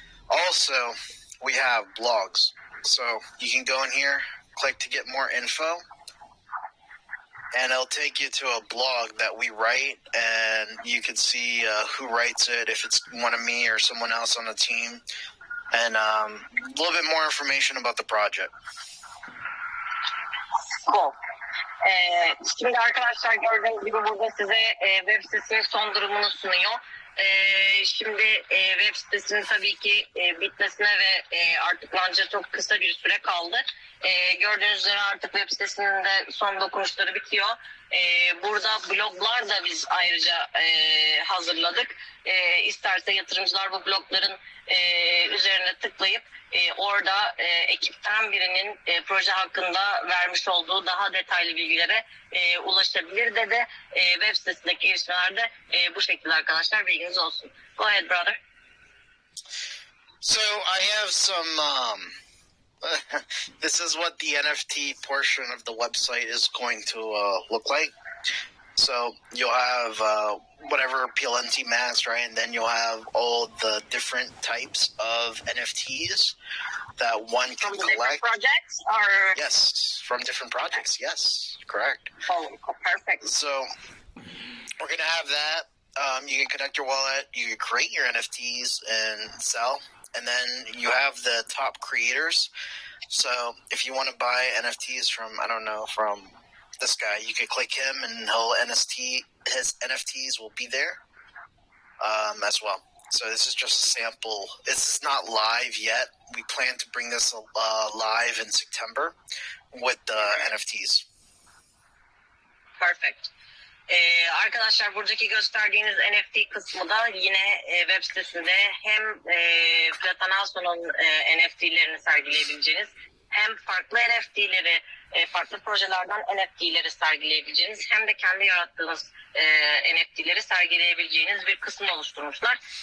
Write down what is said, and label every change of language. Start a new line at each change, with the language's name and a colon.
English: Also, we have blogs. So you can go in here, click to get more info, and it'll take you to a blog that we write, and you can see who writes it, if it's one of me or someone else on the team, and a little bit more information about the project. Cool.
Turkish: Şimdi arkadaşlar gördüğünüz gibi burada size web sitesinin son durumunu sunuyor. Şimdi web sitesinin tabii ki bitmesine ve artık launch'a çok kısa bir süre kaldı. Gördüğünüz üzere artık web sitesinin de son dokunuşları bitiyor. Burada bloglar da biz ayrıca hazırladık. İsterse yatırımcılar bu blogların üzerine tıklayıp orada ekipten birinin proje hakkında vermiş olduğu daha detaylı bilgilere ulaşabilir dedi. Web sitesindeki gelişmelerde bu şekilde arkadaşlar, bilginiz olsun.
English: Go ahead brother. So I have some this is what the NFT portion of the website is going to look like. So you'll have whatever PLNT Max, right? And then you'll have all the different types of NFTs that one can from collect. Different projects? Or... Yes, from different projects. Okay. Yes, correct. Oh, perfect. So we're going to have that. You can connect your wallet. You can create your NFTs and sell. And then you have the top creators. So if you want to buy NFTs from, I don't know, from this guy, you could click him and he'll NST, his NFTs will be there as well. So this is just a sample. This is not live yet. We plan to bring this live in September with the NFTs. Perfect.
Turkish: Arkadaşlar buradaki gösterdiğiniz NFT kısmı da yine web sitesinde hem Platanason'un NFT'lerini sergileyebileceğiniz, hem farklı NFT'leri, farklı projelerden NFT'leri sergileyebileceğiniz, hem de kendi yarattığınız NFT'leri sergileyebileceğiniz bir kısım oluşturmuşlar.